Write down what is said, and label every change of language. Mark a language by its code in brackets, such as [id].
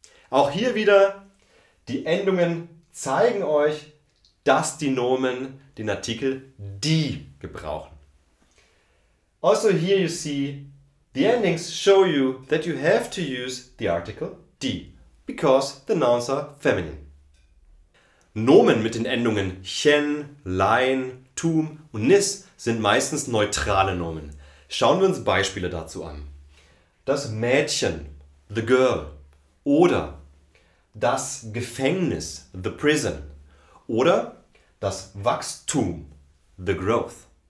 [de] Auch hier wieder, die Endungen zeigen euch, dass die Nomen den Artikel die gebrauchen. [en] Also here you see, the endings show you that you have to use the article die, because the nouns are feminine. [de] Nomen mit den Endungen chen, lein, tum und nis sind meistens neutrale Nomen. Schauen wir uns Beispiele dazu an. Das Mädchen, [en] the girl, [de] oder das Gefängnis, [en] the prison, [de] oder das Wachstum, [en] the growth.